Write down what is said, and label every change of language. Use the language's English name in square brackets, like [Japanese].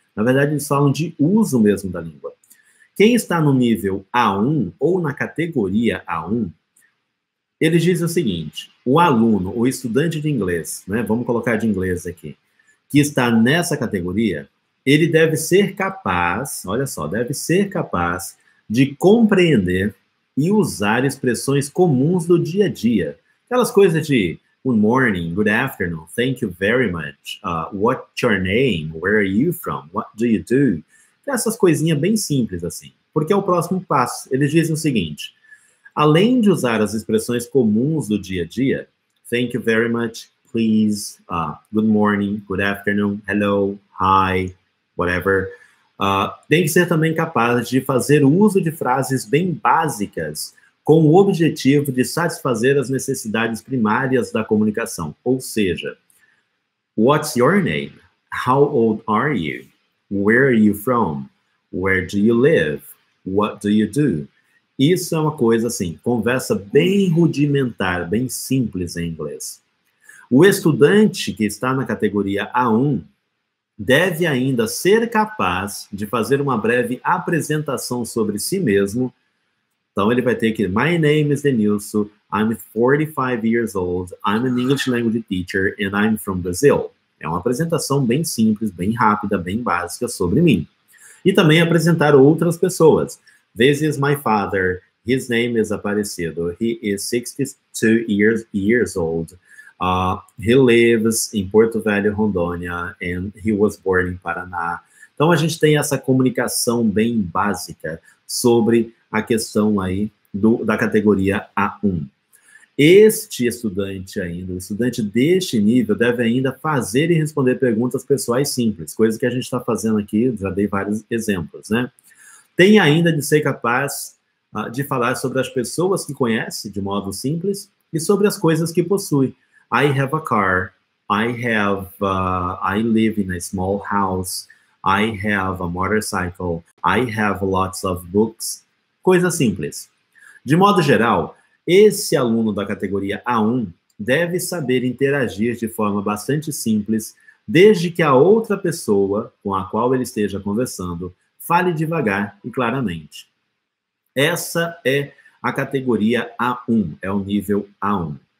[Portuguese] Na verdade, eles falam de uso mesmo da língua. Quem está no nível A1 ou na categoria A1, eles dizem o seguinte, o aluno, o estudante de inglês, né, vamos colocar de inglês aqui, que está nessa categoria, ele deve ser capaz, olha só, deve ser capaz de compreender e usar expressões comuns do dia a dia. Aquelas coisas de [English] good morning, good afternoon, thank you very much, what's your name, where are you from, what do you do? [Portuguese] Essas coisinhas bem simples assim, porque é o próximo passo. Eles dizem o seguinte, além de usar as expressões comuns do dia a dia, [English] thank you very much, please, good morning, good afternoon, hello, hi, whatever, [Portuguese] tem que ser também capaz de fazer uso de frases bem básicas com o objetivo de satisfazer as necessidades primárias da comunicação. Ou seja, [English] what's your name? How old are you? Where are you from? Where do you live? What do you do? [Portuguese] Isso é uma coisa, assim, conversa bem rudimentar, bem simples em inglês. O estudante que está na categoria A1 deve ainda ser capaz de fazer uma breve apresentação sobre si mesmo. Então, ele vai ter que... [English] My name is Denilson, I'm 45 years old, I'm an English language teacher, and I'm from Brazil. [Portuguese] É uma apresentação bem simples, bem rápida, bem básica sobre mim. E também apresentar outras pessoas. [English] This is my father, his name is Aparecido, he is 62 years old, he lives in Porto Velho, Rondônia, and he was born in Paraná. [Portuguese] Então, a gente tem essa comunicação bem básica sobre a questão aí da categoria A1. Este estudante ainda, o estudante deste nível, deve ainda fazer e responder perguntas pessoais simples, coisa que a gente está fazendo aqui, já dei vários exemplos, né? Tem ainda de ser capaz de falar sobre as pessoas que conhece, de modo simples, e sobre as coisas que possui. [English] I have a car, I live in a small house, I have a motorcycle, I have lots of books. [Portuguese] Coisa simples. De modo geral, esse aluno da categoria A1 deve saber interagir de forma bastante simples, desde que a outra pessoa com a qual ele esteja conversando fale devagar e claramente. Essa é a categoria A1, é o nível A1.